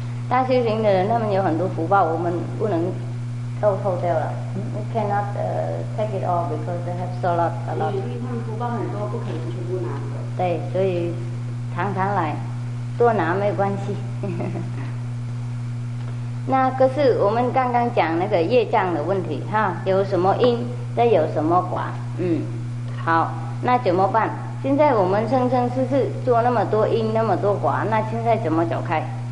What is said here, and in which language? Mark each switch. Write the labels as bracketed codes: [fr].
[zh] 大修行的人，他们有很多福报，我们不能透透掉了。 [en] We cannot take it all because they have so lot. [zh] 他们福报很多，不可能全部拿走。对，所以常常来，多拿没关系。那可是我们刚刚讲那个业障的问题哈，有什么因，再有什么果？嗯，好，那怎么办？现在我们生生世世做那么多因，那么多果，那现在怎么走开？